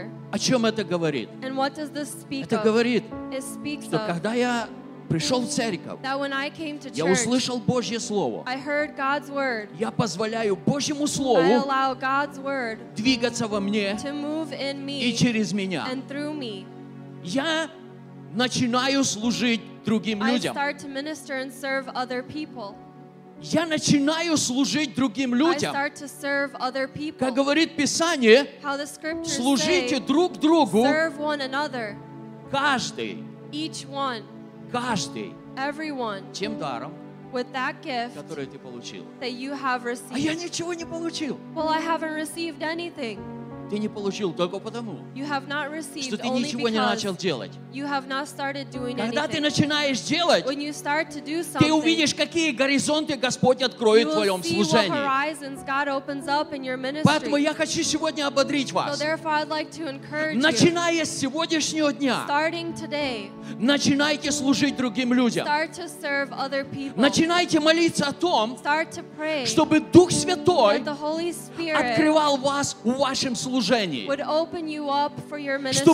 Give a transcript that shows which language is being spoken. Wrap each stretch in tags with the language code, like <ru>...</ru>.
<ru>О чем это говорит? Это говорит, что когда я пришел в церковь,</ru> <en>church,</en> <ru>я услышал Божье Слово,</ru> <en>I heard God's word,</en> <ru>я позволяю Божьему Слову</ru> <en>I allow God's word</en> <ru>двигаться во мне</ru> <en>to move in me</en> <ru>и через меня.</ru> <en>And through me.</en> <ru>Я начинаю служить другим</ru> <en>I</en> <ru>людям.</ru> <en>Start to minister and serve other people.</en> <ru>Я начинаю служить другим людям.</ru> <en>I start to serve other people.</en> <ru>Как говорит Писание,</ru> <en>How the scriptures</en> <ru>служите</ru> <en>say,</en> <ru>друг другу,</ru> <en>serve one another.</en> <ru>Каждый,</ru> <en>each one,</en> <ru>каждый,</ru> <en>everyone,</en> <ru>тем даром,</ru> <en>with that gift,</en> <ru>который ты получил.</ru> <en>That you have received.</en> <ru>А я ничего не получил.</ru> <en>Well, I haven't received anything.</en> <ru>Ты не получил только потому,</ru> <en>you have not received</en> <ru>что ты ничего не начал делать.</ru> <en>You have not started doing</en> <ru>Когда</ru> <en>anything.</en> <ru>Ты начинаешь делать,</ru> <en>When you start to do something,</en> <ru>ты увидишь, какие горизонты Господь откроет в твоем служении.</ru> <en>You will see what horizons God opens up in your ministry.</en> <ru>Поэтому я хочу сегодня ободрить вас.</ru> <en>So therefore I'd like to encourage you.</en> <ru>Начиная с сегодняшнего дня,</ru> <en>starting today,</en> <ru>начинайте служить другим людям.</ru> <en>Start to serve other people.</en> <ru>Начинайте молиться о том,</ru> <en>start to pray,</en> <ru>чтобы Дух Святой</ru> <en>that the Holy Spirit</en> <ru>открывал вас в вашем служении.</ru> <en>Would open you up for your ministry,</en>